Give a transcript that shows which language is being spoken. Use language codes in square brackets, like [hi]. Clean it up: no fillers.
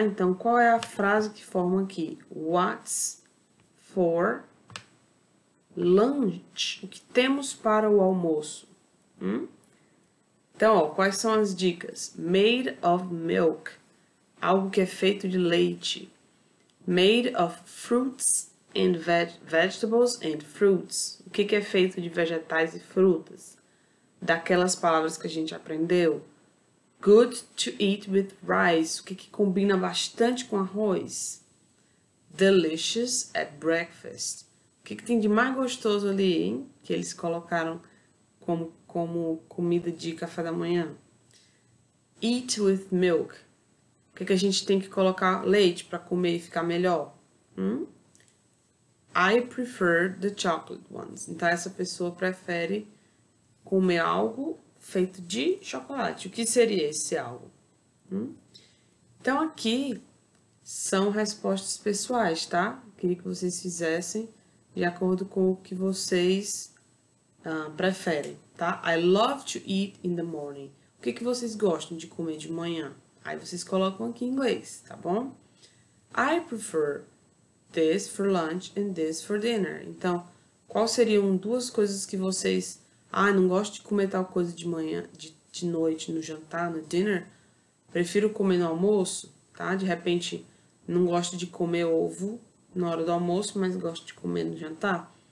[pt] Então qual é a frase que forma aqui? [en] What's for lunch? [pt] O que temos para o almoço? Então, ó, quais são as dicas? [en] Made of milk. [pt] Algo que é feito de leite. [en] Made of fruits and vegetables and fruits. [pt] O que que é feito de vegetais e frutas? Daquelas palavras que a gente aprendeu. [en] Good to eat with rice. [pt] O que que combina bastante com arroz? [en] Delicious at breakfast. [pt] O que que tem de mais gostoso ali, hein? Que eles colocaram como comida de café da manhã. [en] Eat with milk. [pt] O que que a gente tem que colocar leite para comer e ficar melhor? [en] I prefer the chocolate ones. [pt] Então, essa pessoa prefere comer algo feito de chocolate. O que seria esse algo? Então, aqui, São respostas pessoais, tá? Queria que vocês fizessem de acordo com o que vocês preferem, tá? [en] I love to eat in the morning. [pt] O que que vocês gostam de comer de manhã? Aí vocês colocam aqui em inglês, tá bom? [en] I prefer this for lunch and this for dinner. [pt] Então, quais seriam duas coisas que vocês. Ah, não gosto de comer tal coisa de manhã, de noite, no jantar, no dinner. Prefiro comer no almoço, tá? De repente, não gosto de comer ovo na hora do almoço, mas gosto de comer no jantar.